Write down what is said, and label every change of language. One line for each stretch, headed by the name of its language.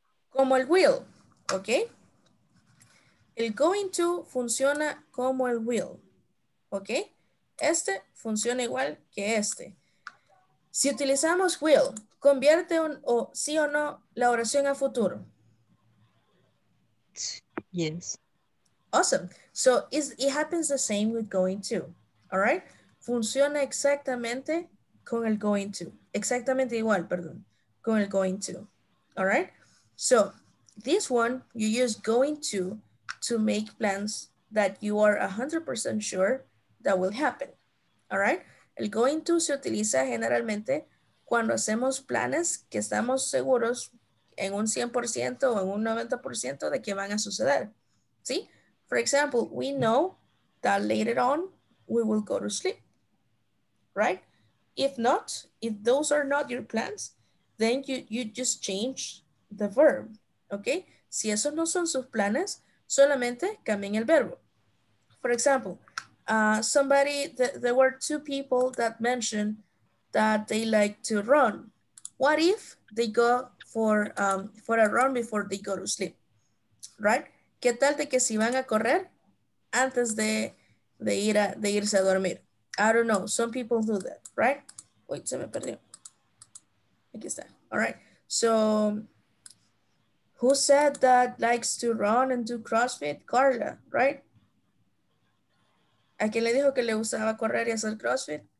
Spanish: Como el will, ¿ok? El going to funciona como el will, ¿ok? Este funciona igual que este. Si utilizamos will, ¿convierte un o sí o no la oración a futuro?
English: Yes. Awesome. So it happens the same with going to. All right.
Spanish: Funciona exactamente con el going to. Exactamente igual, perdón, con el going to.
English: All right. So this one, you use going to make plans that you are 100% sure that will happen. All right.
Spanish: El going to se utiliza generalmente cuando hacemos planes que estamos seguros en un 100% o en un 90% de que van a suceder. ¿Sí?
English: For example, we know that later on we will go to sleep. Right? If not, if those are not your plans, then you just change the verb. ¿Ok?
Spanish: Si esos no son sus planes, solamente cambien el verbo.
English: For example, there were two people that mentioned that they like to run. What if they go for a run before they go to sleep? Right?
Spanish: ¿Qué tal de que si van a correr antes de irse a dormir?
English: I don't know. Some people do that, right? Wait,
Spanish: se me perdió. Aquí está.
English: All right. So, who said that likes to run and do CrossFit? Carla, right?
Spanish: ¿A quién le dijo que le gustaba correr y hacer CrossFit?